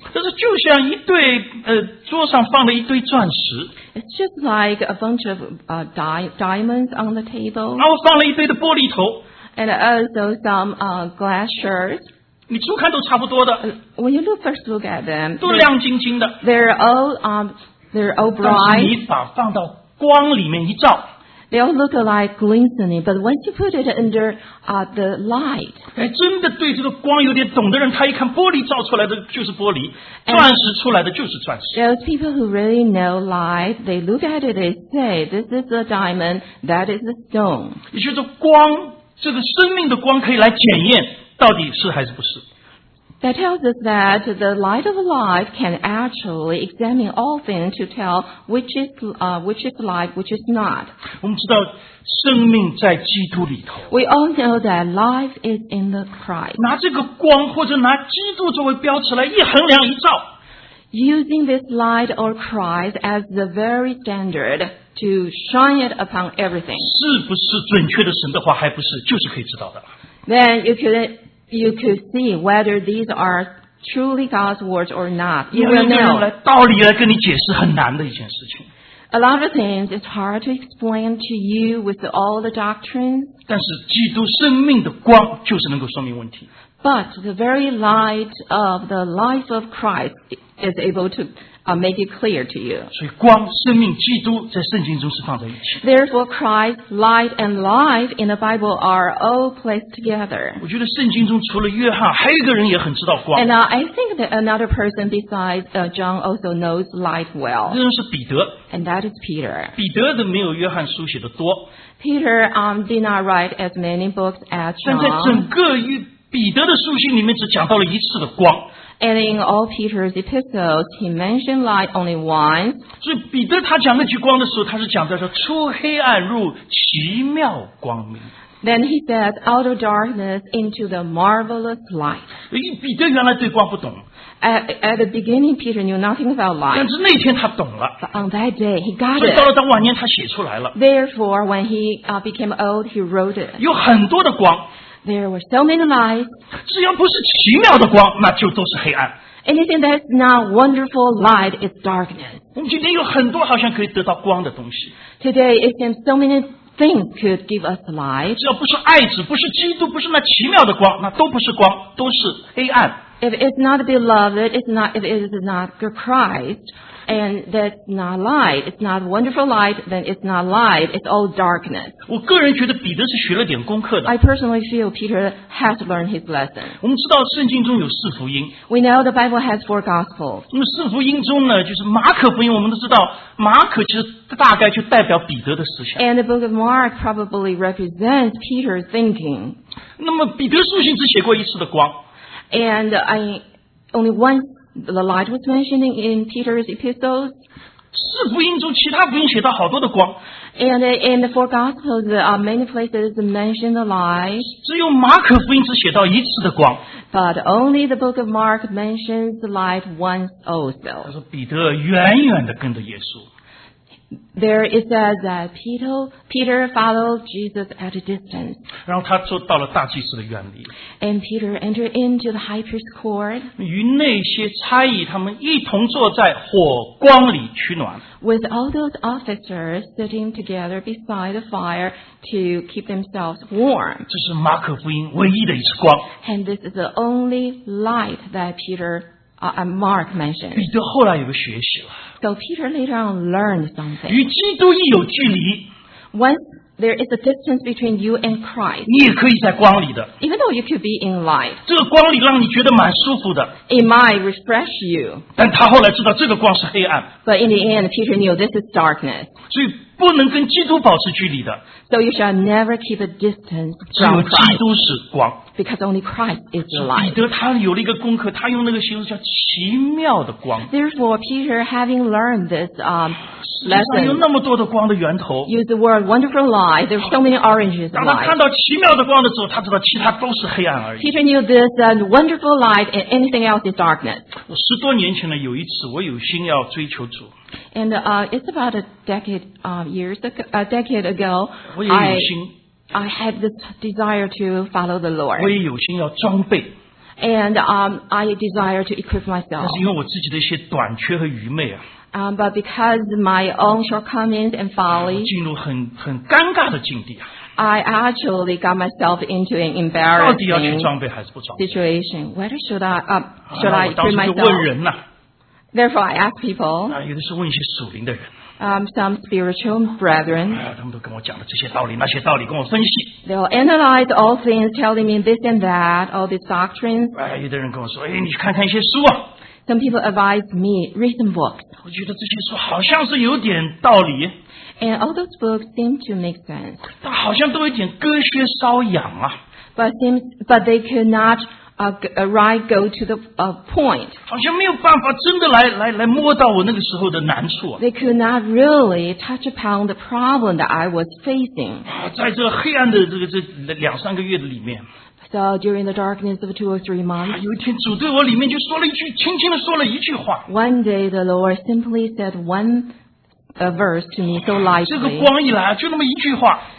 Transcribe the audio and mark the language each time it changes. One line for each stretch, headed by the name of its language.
Chinese: 但是就像一堆桌上放了一堆钻石。
English: It's just like a bunch of diamonds on the table.
Chinese: 然后放了一堆的玻璃头。
English: And also some glass shards.
Chinese: 你初看都差不多的。
English: When you first look at them,
Chinese: 都亮晶晶的。
English: They're all bright.
Chinese: 但是你把放到光里面一照。
English: They all look like glistening, but once you put it under the light,
Chinese: 哎，真的对这个光有点懂的人，他一看玻璃照出来的就是玻璃，钻石出来的就是钻石。
English: Those people who really know light, they look at it, they say, "This is a diamond, that is a stone."
Chinese: 也就是光，这个生命的光可以来检验到底是还是不是。
English: That tells us that the light of life can actually examine all things to tell which is light, which is not.
Chinese: 我们知道生命在基督里头。
English: We all know that life is in the Christ.
Chinese: 拿这个光或者拿基督作为标尺来一衡量一照。
English: Using this light or Christ as the very standard to shine it upon everything.
Chinese: 是不是准确的神的话？还不是，就是可以知道的。
English: Then you could see whether these are truly God's words or not. You will know.
Chinese: 用道理来跟你解释很难的一件事情。
English: A lot of things it's hard to explain to you with all the doctrines.
Chinese: 但是基督生命的光就是能够说明问题。
English: But the very light of the life of Christ is able to make it clear to you.
Chinese: 所以光、生命、基督在圣经中是放在一起。
English: Therefore, Christ, light, and life in the Bible are all placed together.
Chinese: 我觉得圣经中除了约翰，还有一个人也很知道光。
English: And I think that another person besides John also knows light well.
Chinese: 这人是彼得。
English: And that is Peter.
Chinese: 彼得的没有约翰书写的多。
English: Peter did not write as many books as John.
Chinese: 但在整个彼得的书信里面只讲到了一次的光。
English: And in all Peter's epistles, he mentioned light only once.
Chinese: 所以彼得他讲那句光的时候，他是讲的是出黑暗入奇妙光明。
English: Then he said, out of darkness into the marvelous light.
Chinese: 彼得原来对光不懂。
English: At the beginning, Peter knew nothing about light.
Chinese: 但是那天他懂了。
English: But on that day, he got it.
Chinese: 所以到了当晚年，他写出来了。
English: Therefore, when he became old, he wrote it.
Chinese: 有很多的光。
English: There were so many lights.
Chinese: 只要不是奇妙的光，那就都是黑暗。
English: Anything that's not wonderful light is darkness.
Chinese: 我们今天有很多好像可以得到光的东西。
English: Today it seems so many things could give us light.
Chinese: 只要不是爱子，不是基督，不是那奇妙的光，那都不是光，都是黑暗。
English: If it's not beloved, if it is not Christ, and that's not light, it's not wonderful light, then it's not light, it's all darkness.
Chinese: 我个人觉得彼得是学了点功课的。
English: I personally feel Peter has learned his lesson.
Chinese: 我们知道圣经中有四福音。
English: We know the Bible has four gospels.
Chinese: 那么四福音中呢，就是马可福音，我们都知道马可其实大概就代表彼得的思想。
English: And the book of Mark probably represents Peter's thinking.
Chinese: 那么彼得书信只写过一次的光。
English: And only once the light was mentioned in Peter's epistles.
Chinese: 四福音中其他福音写到好多的光。
English: And in the four gospels, many places mention the light.
Chinese: 只有马可福音只写到一次的光。
English: But only the book of Mark mentions the light once also.
Chinese: 他说彼得远远地跟着耶稣。
English: There it says that Peter followed Jesus at a distance.
Chinese: 然后他就到了大祭司的院里。
English: And Peter entered into the high priest's court.
Chinese: 与那些差役他们一同坐在火光里取暖。
English: With all those officers sitting together beside the fire to keep themselves warm.
Chinese: 这是马可福音唯一的一次光。
English: And this is the only light that Peter Mark mentioned.
Chinese: 彼得后来有个学习了。
English: So Peter later on learned something.
Chinese: 与基督一有距离。
English: Once there is a distance between you and Christ.
Chinese: 你也可以在光里的。
English: Even though you could be in light.
Chinese: 这个光里让你觉得蛮舒服的。
English: It might refresh you.
Chinese: 但他后来知道这个光是黑暗。
English: But in the end, Peter knew this is darkness.
Chinese: 所以不能跟基督保持距离的。
English: So you shall never keep a distance from
Chinese: Christ. 只有基督是光。
English: Because only Christ is the light.
Chinese: 彼得他有了一个功课，他用那个形容叫奇妙的光。
English: Therefore, Peter, having learned this lesson,
Chinese: 世上有那么多的光的源头。
English: Use the word wonderful light. There are so many oranges.
Chinese: 当他看到奇妙的光的时候，他知道其他都是黑暗而已。
English: Peter knew this and wonderful light, and anything else is darkness.
Chinese: 我十多年前呢，有一次我有心要追求主。
English: And it's about a decade ago.
Chinese: 我也有心。
English: I had this desire to follow the Lord.
Chinese: 我也有心要装备。
English: And I desire to equip myself.
Chinese: 但是因为我自己的一些短缺和愚昧啊。
English: But because my own shortcomings and folly.
Chinese: 我进入很尴尬的境地啊。
English: I actually got myself into an embarrassing.
Chinese: 到底要去装备还是不装备
English: ？Situation. Whether should I equip myself?
Chinese: 我当时就问人呐。
English: Therefore, I ask people.
Chinese: 啊，有的是问一些属灵的人。
English: Some spiritual brethren.
Chinese: 他们都跟我讲了这些道理，那些道理，跟我分析。
English: They'll analyze all things, telling me this and that, all these doctrines.
Chinese: 有的人跟我说，哎，你去看看一些书啊。
English: Some people advise me read some books.
Chinese: 我觉得这些书好像是有点道理。
English: And all those books seem to make sense.
Chinese: 但好像都有点隔靴搔痒啊。
English: But they could not go to the point.
Chinese: 好像没有办法真的来摸到我那个时候的难处。
English: They could not really touch upon the problem that I was facing.
Chinese: 在这黑暗的这两三个月里面。
English: So during the darkness of 2 or 3 months.
Chinese: 有一天主对我里面就说了一句，轻轻的说了一句话。
English: One day the Lord simply said a verse to me so lightly.
Chinese: 这个光一来就那么一句话。